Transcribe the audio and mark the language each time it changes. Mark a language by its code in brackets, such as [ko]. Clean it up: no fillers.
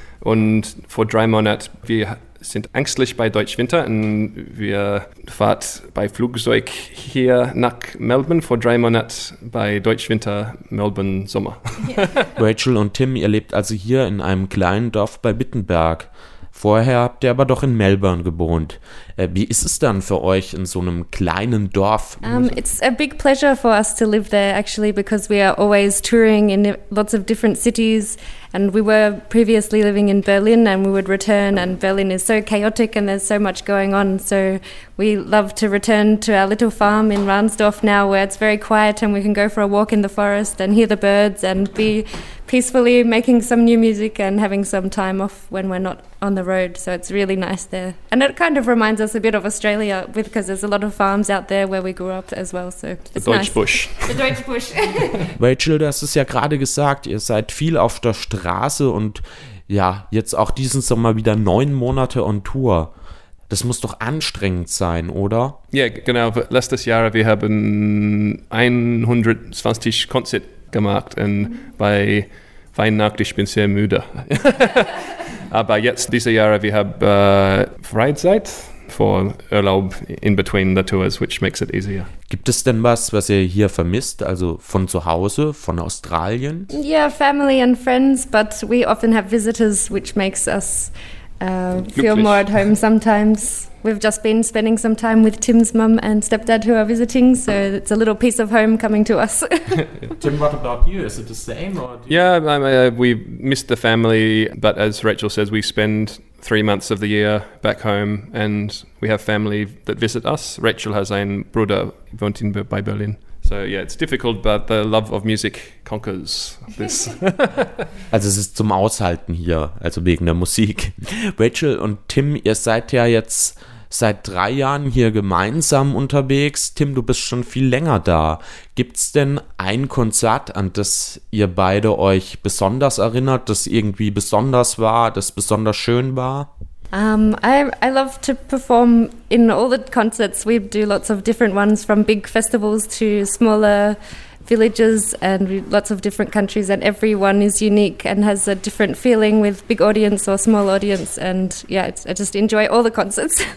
[de] Und vor 3 Monaten, wir sind ängstlich bei Deutschwinter und wir fahren bei Flugzeug hier nach Melbourne vor 3 Monaten bei Deutschwinter, Melbourne Sommer. Rachel und Tim, ihr lebt also hier in einem kleinen Dorf bei Wittenberg. Vorher habt ihr aber doch in Melbourne gewohnt. Wie ist es dann für euch in so einem kleinen Dorf? [en] It's a big pleasure for us to live there actually because we are always touring in lots of different cities and we were previously living in Berlin and we would return and Berlin is so chaotic and there's so much going on. So we love to return to our little farm in Ransdorf now where it's very quiet and we can go for a walk in the forest and hear the birds and be peacefully making some new music and having some time off when we're not on the road. So it's really nice there. And it kind of reminds us a bit of Australia because there's a lot of farms out there where we grew up as well. So it's the Deutschbusch. Nice. The Deutschbusch. [de] Rachel, du hast es ja gerade gesagt, ihr seid viel auf der Straße und ja, jetzt auch diesen Sommer wieder 9 Monate on Tour. Das muss doch anstrengend sein, oder? Ja, yeah, genau. Letztes Jahr, wir haben 120 Konzerte gemacht und bei Weihnachten, ich bin sehr müde. Aber jetzt, diese Jahre, wir haben Freizeit für Urlaub [en] in between the tours, which makes it easier. [de] Gibt es denn was ihr hier vermisst, also von zu Hause, von Australien? [en] Yeah, family and friends, but we often have visitors, which makes us feel more at home sometimes. We've just been spending some time with Tim's mum and stepdad who are visiting, so it's a little piece of home coming to us. Tim, what about you? Is it the same? We miss the family, but as Rachel says, we spend 3 months of the year back home and we have family that visit us. Rachel has a brother [de] wohnt [en] in Berlin. So yeah, it's difficult, but the love of music conquers this. [de] Also es ist zum Aushalten hier, also wegen der Musik. Rachel und Tim, ihr seid ja jetzt seit 3 Jahren hier gemeinsam unterwegs. Tim, du bist schon viel länger da. Gibt's denn ein Konzert, an das ihr beide euch besonders erinnert, das irgendwie besonders war, das besonders schön war? [en] I love to perform in all the concerts. We do lots of different ones, from big festivals to smaller villages and lots of different countries, and everyone is unique and has a different feeling with big audience or small audience, and yeah, I just enjoy all the concerts.